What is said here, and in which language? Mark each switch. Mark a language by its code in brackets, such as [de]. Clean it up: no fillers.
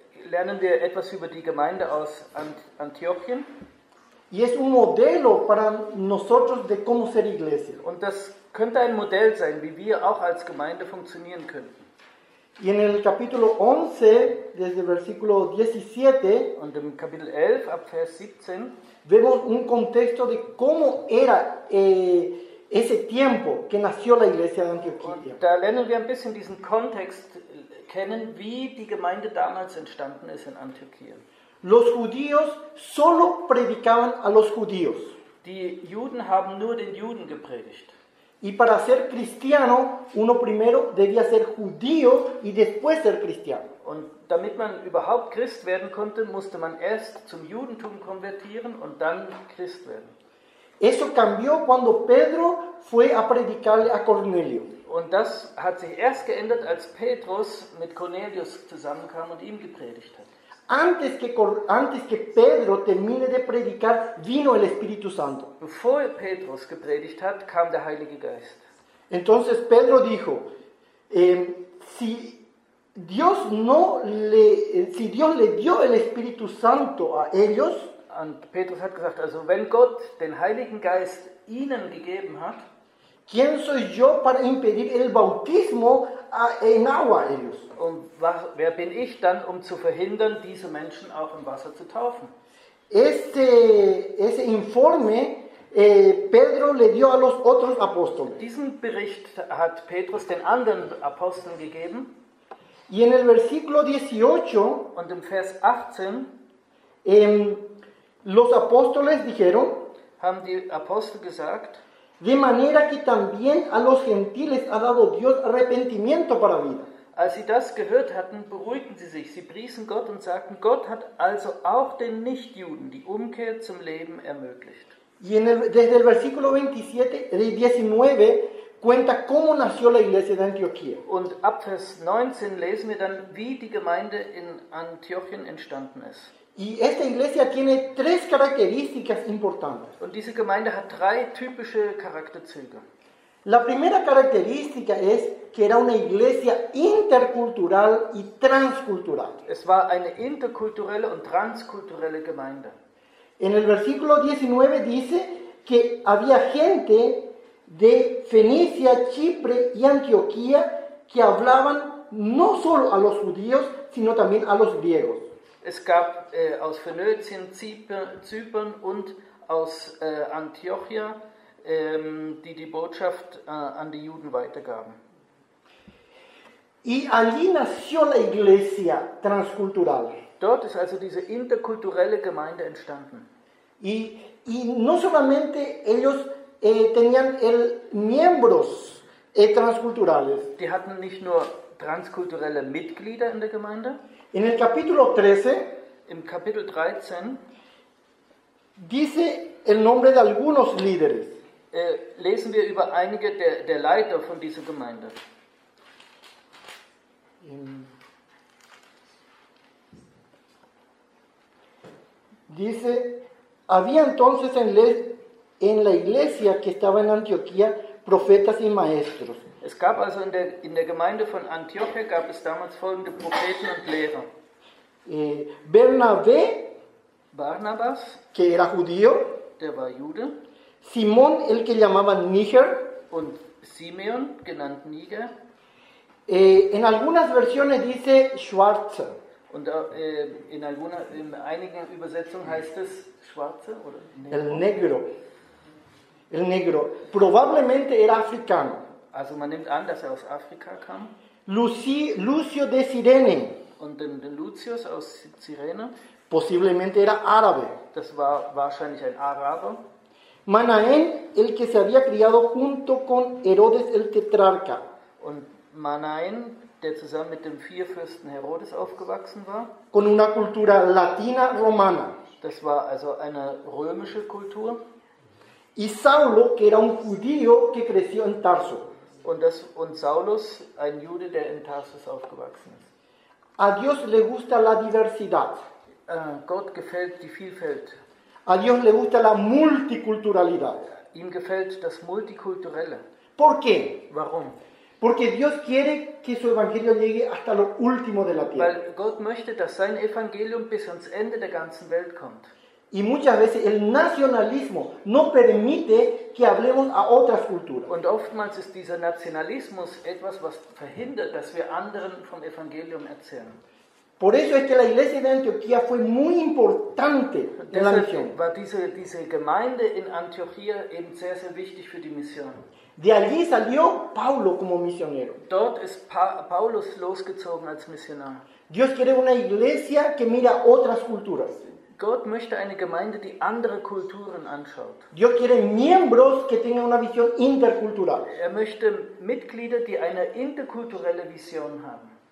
[de] Lernen wir etwas über die Gemeinde aus Antiochien. [es] Y es un modelo para nosotros de cómo ser iglesia. [de] Und das könnte ein Modell sein, wie wir auch als Gemeinde funktionieren könnten. [es] Y en el capítulo 11, desde el versículo 17, [de] und im Kapitel 11, ab Vers 17, [es] vemos un contexto de cómo era ese tiempo que nació la iglesia de Antioquía. [de] Da lernen wir ein bisschen diesen Kontext kennen, wie die Gemeinde damals entstanden ist in Antioquía. [es] Los judíos solo predicaban a los judíos. [de] Die Juden haben nur den Juden gepredigt. [es] Y para ser cristiano, uno primero debía ser judío y después ser cristiano. [de] Und damit man überhaupt Christ werden konnte, musste man erst zum Judentum konvertieren und dann Christ werden. [es] Eso cambió cuando Pedro fue a predicarle a Cornelio. [de] Und das hat sich erst geändert, als Petrus mit Cornelius zusammenkam und ihm gepredigt hat. [es] Antes que Pedro termine de predicar, vino el Espíritu Santo. [de] Bevor Petrus gepredigt hat, kam der Heilige Geist. [es] Entonces Pedro dijo, si Dios no le, si Dios le dio el Espíritu Santo a ellos, [de] und Petrus hat gesagt, also wenn Gott den Heiligen Geist ihnen gegeben hat, [es] ¿quién soy yo para impedir el bautismo en agua ellos? [de] Und was, wer bin ich dann, um zu verhindern, diese Menschen auch im Wasser zu taufen? [es] Ese informe Pedro le dio a los otros apóstoles. [de] Diesen Bericht hat Petrus den anderen Aposteln gegeben. [es] Y en el versículo 18, [de] und im Vers 18, [es] los apóstoles dijeron, [de] haben die Apostel gesagt, [es] de manera que también a los gentiles ha dado Dios arrepentimiento para vida. [de] Als sie das gehört hatten, beruhigten sie sich. Sie priesen Gott und sagten, Gott hat also auch den Nichtjuden die Umkehr zum Leben ermöglicht. [es] Y en el, desde el versículo 19 cuenta cómo nació la iglesia de Antioquía. [de] Und ab Vers 19 lesen wir dann, wie die Gemeinde in Antiochien entstanden ist. [es] Y esta iglesia tiene tres características importantes. [de] Und diese Gemeinde hat drei typische Charakterzüge. [es] La primera característica es que era una iglesia intercultural y transcultural. [de] Es war eine interkulturelle und transkulturelle Gemeinde. [es] En el versículo 19 dice que había gente de Fenicia, Chipre y Antioquía que hablaban no solo a los judíos, sino también a los griegos. [de] Es gab aus Phönizien, Zypern und aus Antiochia, die Botschaft an die Juden weitergaben. [es] Y allí nació la iglesia transcultural. [de] Dort ist also diese interkulturelle Gemeinde entstanden. [es] Y no solamente ellos tenían el miembros transculturales. [de] Die hatten nicht nur transkulturelle Mitglieder in der Gemeinde. [es] En el capítulo 13, [de] im Kapitel 13, [es] dice el nombre de algunos líderes. [de] Lesen wir über einige der Leiter von dieser Gemeinde. [es] Dice, había entonces en la iglesia que estaba en Antioquía profetas y maestros. [de] Es gab also in der Gemeinde von Antioquia gab es damals folgende Propheten und Lehrer. [es] Barnabas, que era judío, [de] der war Jude. [es] Simón, el que llamaban Níger, [de] und Simeon, genannt Níger. [es] En algunas versiones dice Schwarzer. [de] Und in einigen Übersetzungen heißt es Schwarzer oder [es] Negro. El Negro. El Negro. Probablemente era africano. [de] Also man nimmt an, dass er aus Afrika kam. [es] Lucio de Cirene. [de] Und den Lucius aus Cirene. [es] Posiblemente era árabe. [de] Das war wahrscheinlich ein Araber. [es] Manaén, el que se había criado junto con Herodes el Tetrarca. [de] Und Manaén, der zusammen mit dem Vierfürsten Herodes aufgewachsen war. [es] Con una cultura latina romana. [de] Das war also eine römische Kultur. [es] Y Saulo, que era un judío que creció en Tarso. [de] Und Saulus, ein Jude, der in Tarsus aufgewachsen ist. [es] A Dios le gusta la diversidad. [de] Gott gefällt die Vielfalt. [es] A Dios le gusta la multiculturalidad. [de] Ihm gefällt das Multikulturelle. [es] ¿Por qué? [de] Warum? [es] Porque Dios quiere que su evangelio llegue hasta lo último de la tierra. [de] Weil Gott möchte, dass sein Evangelium bis ans Ende der ganzen Welt kommt. [es] Y muchas veces el nacionalismo no permite que hablemos a otras culturas. [de] Und oftmals ist dieser Nationalismus etwas, was verhindert, dass wir anderen vom Evangelium erzählen. [es] Por eso es que la iglesia de Antioquía fue muy importante en la misión. [de] War diese Gemeinde in Antioquía eben sehr, sehr wichtig für die Mission. [es] De allí salió Paulo como misionero. [de] Dort ist Paulus losgezogen als Missionar. [es] Dios quiere una iglesia que mira otras culturas. [de] Gott möchte eine Gemeinde, die andere Kulturen anschaut. [es] Dios quiere miembros que tengan una visión intercultural. [de] Er möchte Mitglieder, die eine interkulturelle Vision haben.